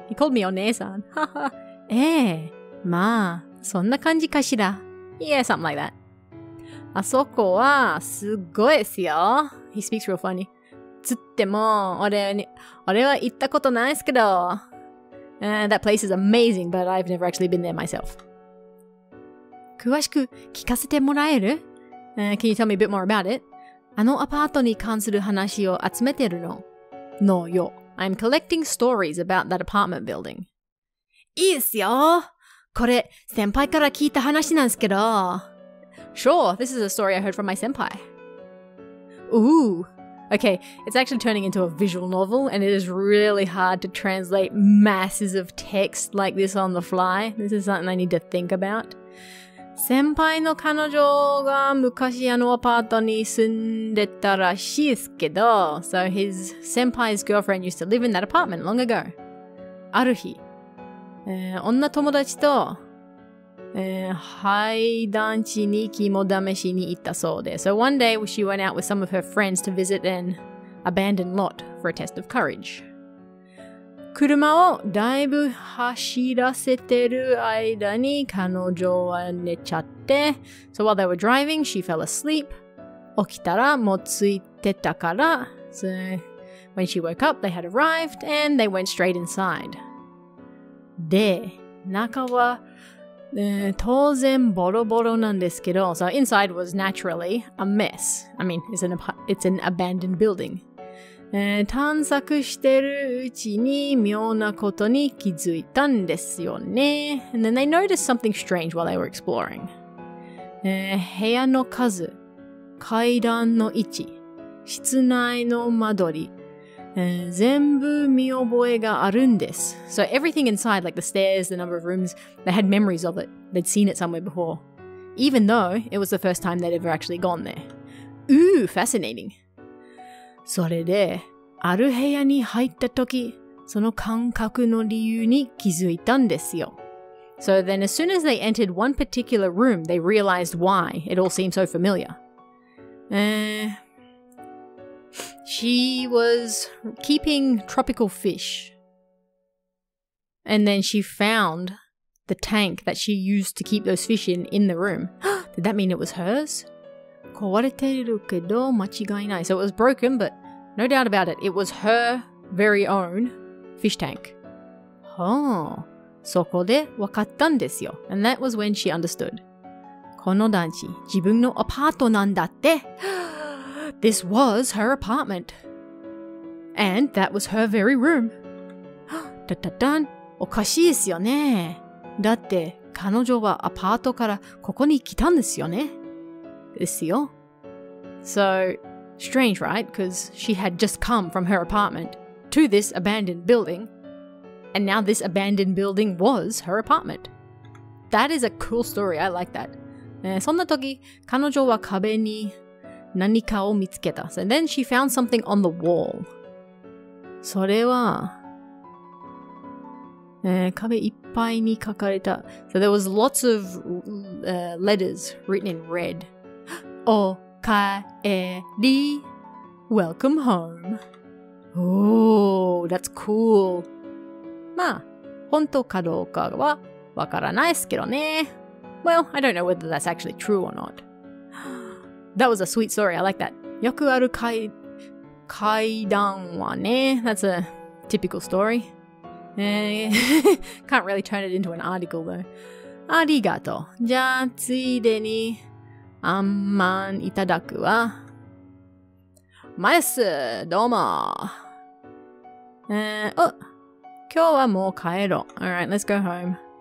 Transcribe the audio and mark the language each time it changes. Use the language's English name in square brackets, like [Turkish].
[English] He called me onee-san. [Japanese] Eh, ma, sonna kanji kashira. [English] Yeah, something like that. [Japanese] Asoko wa sugoi desu yo. [English] He speaks real funny. [Japanese] Tsuttemo, ore wa itta koto nai desu kedo. [English] That place is amazing, but I've never actually been there myself. [Japanese] 詳しく聞かせてもらえる? [English] Can you tell me a bit more about it? [Japanese] あのアパートに関する話を集めてるの? のよ。 [English] I'm collecting stories about that apartment building. [Japanese] いいっすよ。これ、先輩から聞いた話なんすけど。 [English] Sure, this is a story I heard from my senpai. Ooh. Okay, it's actually turning into a visual novel, and it is really hard to translate masses of text like this on the fly. This is something I need to think about. [Japanese] 先輩の彼女が昔あのアパートに住んでたらしいですけど。 [English] So his senpai's girlfriend used to live in that apartment long ago. [Japanese] ある日、女友達と、廃団地に肝試しに行ったそうで。 [English] So one day she went out with some of her friends to visit an abandoned lot for a test of courage. [Japanese] 車をだいぶ走らせてる間に彼女は寝ちゃって。 [English] So while they were driving, she fell asleep. [Japanese] 起きたらもうついてたから。 [English] So when she woke up, they had arrived and they went straight inside. [Japanese] で、中は当然ボロボロなんですけど、 [English] so inside was naturally a mess. I mean, it's an abandoned building. [Japanese] 探索してるうちに妙なことに気づいたんですよね。 [English] And then they noticed something strange while they were exploring. [Japanese] 部屋の数、階段の位置、室内の間取り、全部見覚えがあるんです。 [English] So everything inside, like the stairs, the number of rooms, they had memories of it. They'd seen it somewhere before. Even though it was the first time they'd ever actually gone there. Ooh, fascinating. [Japanese] それで、ある部屋に入ったとき、その感覚の理由に気づいたんですよ。 [English] So then as soon as they entered one particular room, they realized why it all seemed so familiar. She was keeping tropical fish. And then she found the tank that she used to keep those fish in the room. Did that mean it was hers? [Japanese] 壊れてるけど間違いない。 [English] So it was broken, but no doubt about it. It was her very own fish tank. [Japanese] Oh, そこでわかったんですよ。 [English] And that was when she understood. [Japanese] この団地、自分のアパートなんだって。 [English] This was her apartment. And that was her very room. [Japanese] Da da da. おかしいですよね。だって彼女はアパートからここに来たんですよね。ですよ。 [English] So, strange, right? Because she had just come from her apartment to this abandoned building. And now this abandoned building was her apartment. That is a cool story. I like that. [Japanese] そんな時、彼女は壁に何かを見つけた。 [English] And then she found something on the wall. [Japanese] それは、壁いっぱいに書かれた。 [English] So there was lots of letters written in red. [Japanese] おかえり。 [English] Welcome home. Oh, that's cool. [Japanese] まあ、本当かどうかはわからないですけどね。 [English] Well, I don't know whether that's actually true or not. That was a sweet story. I like that. [Japanese] よくある階段はね。 [English] That's a typical story. can't really turn it into an article, though. [Japanese] ありがとう。じゃあ、ついでに、あんまんいただくわ。マイス、どうも。今日はもう帰ろう。 [English] Alright, let's go home.